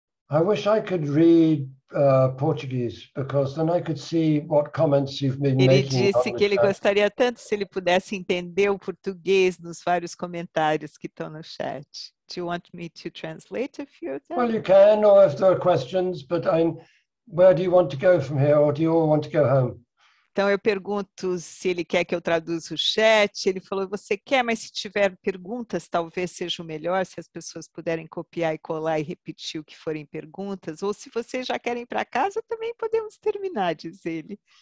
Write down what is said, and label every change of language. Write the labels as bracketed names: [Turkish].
[English] I wish I could read Portuguese, because then I could see what comments you've been [Portuguese] ele [English] making. [Portuguese] Ele disse que ele gostaria tanto se ele pudesse entender o português nos vários comentários que estão no chat. [English] Do you want me to translate a few of them? Well, you can, or if there are questions, but where do you want to go from here, or do you all want to go home? [Portuguese] Então, eu pergunto se ele quer que eu traduza o chat. Ele falou, você quer, mas se tiver perguntas, talvez seja o melhor, se as pessoas puderem copiar e colar e repetir o que forem perguntas. Ou se vocês já querem ir para casa, também podemos terminar, diz ele.